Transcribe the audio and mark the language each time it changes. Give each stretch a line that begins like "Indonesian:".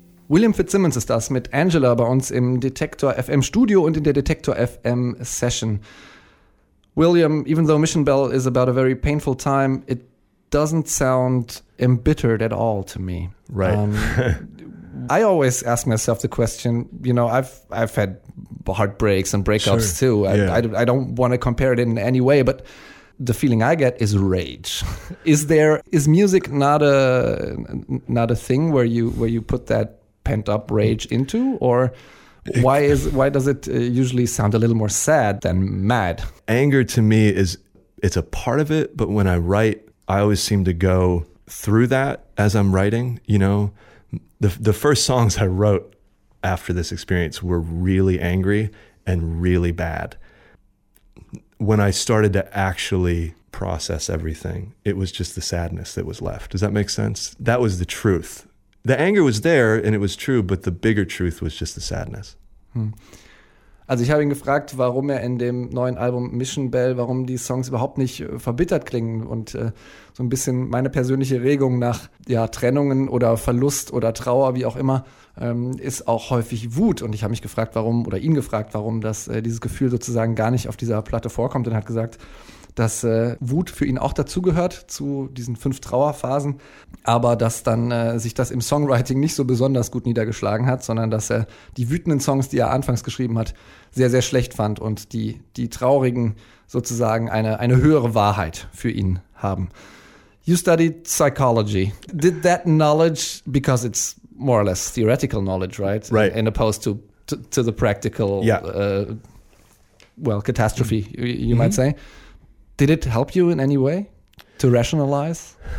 German: William Fitzsimmons ist das mit Angela bei uns im Detektor FM Studio und in der Detektor FM Session.
English: William, even though Mission Bell is about a very painful time, it doesn't sound embittered at all to me. Right. I always ask myself the question, you know, I've had heartbreaks and breakups sure. too. Yeah. I don't want to compare it in any way, but the feeling I get is rage. Is music not a thing where you put that pent-up rage into, or why does it usually sound a little more sad than mad? Anger to me it's a part of it, but when I write, I always seem to go through that as I'm writing. You know, the first songs I wrote after this experience were really angry and really bad. When I started to actually process everything, it was just the sadness that was left. Does that make sense? That was the truth. The anger was there and it was true, but the bigger truth was just the sadness. Hmm.
German: Also ich habe ihn gefragt, warum er in dem neuen Album Mission Bell, warum die Songs überhaupt nicht verbittert klingen und so ein bisschen meine persönliche Regung nach ja, Trennungen oder Verlust oder Trauer, wie auch immer, ist auch häufig Wut. Und ich habe mich gefragt, warum oder ihn gefragt, warum das, dieses Gefühl sozusagen gar nicht auf dieser Platte vorkommt. Und er hat gesagt, dass Wut für ihn auch dazugehört, zu diesen 5 Trauerphasen, aber dass dann sich das im Songwriting nicht so besonders gut niedergeschlagen hat, sondern dass er die wütenden Songs, die er anfangs geschrieben hat, sehr, sehr schlecht fand und die traurigen sozusagen eine höhere Wahrheit für ihn haben.
English: You studied psychology. Did that knowledge, because it's more or less theoretical knowledge, right? Right. In opposed to the practical, yeah. Catastrophe, you mm-hmm. might say. Did it help you in any way to rationalize?